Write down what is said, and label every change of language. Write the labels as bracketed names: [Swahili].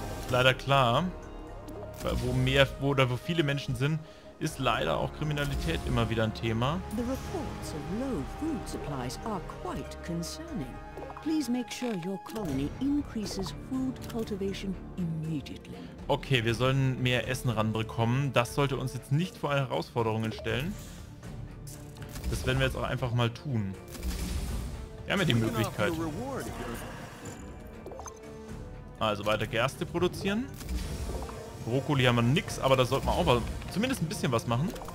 [German] Leider klar, wo mehr, wo oder wo viele Menschen sind, ist leider auch Kriminalität immer wieder ein Thema. [English] The reports of low food supplies are quite concerning. Please make sure your colony increases food cultivation immediately. [German] Okay, wir sollen mehr Essen ranbekommen. Das sollte uns jetzt nicht vor Herausforderungen stellen. Das werden wir jetzt auch einfach mal tun. Wir haben ja die Möglichkeit. Also weiter Gerste produzieren. Brokkoli haben wir nix, aber da sollten wir auch mal zumindest ein bisschen was machen.